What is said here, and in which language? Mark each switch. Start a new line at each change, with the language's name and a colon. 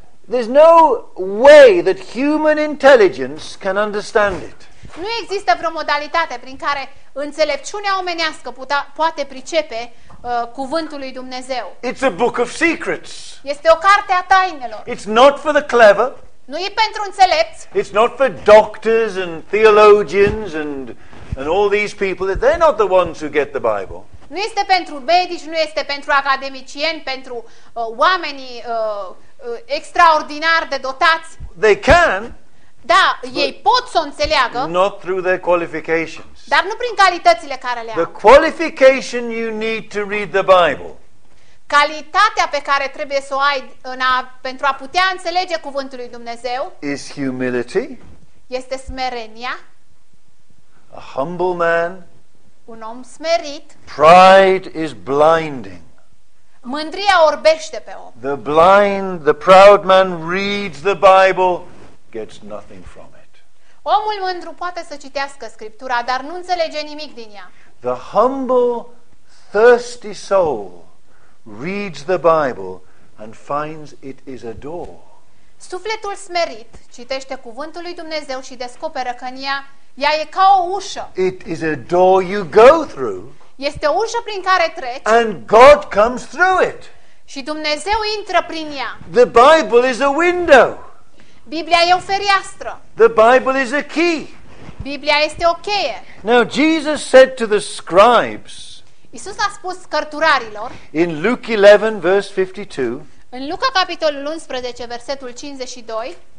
English: There's no way that human intelligence can understand it.
Romanian: Nu există vreo modalitate prin care înțelepciunea omenească poate pricepe cuvântul lui Dumnezeu.
English: It's a book of secrets.
Romanian: Este o carte a tainelor.
English: It's not for the clever.
Romanian: Nu e pentru înțelepți.
English: It's not for doctors and theologians and all these people. They're not the ones who get the Bible.
Romanian: Nu este pentru medici, nu este pentru academicieni, pentru oamenii extraordinari de dotați.
English: They can.
Romanian: Da, ei pot să o înțeleagă.
English: Not through their qualifications.
Romanian: Dar nu prin calitățile care le au.
English: The qualification you need to read the Bible.
Romanian: Calitatea pe care trebuie să o ai pentru a putea înțelege cuvântul lui Dumnezeu.
English: Is humility.
Romanian: Este smerenia.
English: A humble man.
Romanian: Un om smerit.
English: Pride is blinding.
Romanian: Mândria orbește pe om.
English: The blind, the proud man reads the Bible, gets nothing from it.
Romanian: Omul mândru poate să citească Scriptura, dar nu înțelege nimic din ea.
English: The humble, thirsty soul reads the Bible and finds it is a door.
Romanian: Sufletul smerit citește cuvântul lui Dumnezeu și descoperă că în ea, ea e ca o ușă.
English: It is a door you go through.
Romanian: Este o ușă prin care treci.
English: And God comes through it.
Romanian: Și Dumnezeu intră prin ea.
English: The Bible is a window.
Romanian: Biblia e o fereastră.
English: The Bible is a key.
Romanian: Biblia este o cheie.
English: Now Jesus said to the scribes.
Romanian: Iisus a spus cărturarilor.
English: In Luke 11 verse 52.
Romanian: În Luca capitolul 11 versetul 52.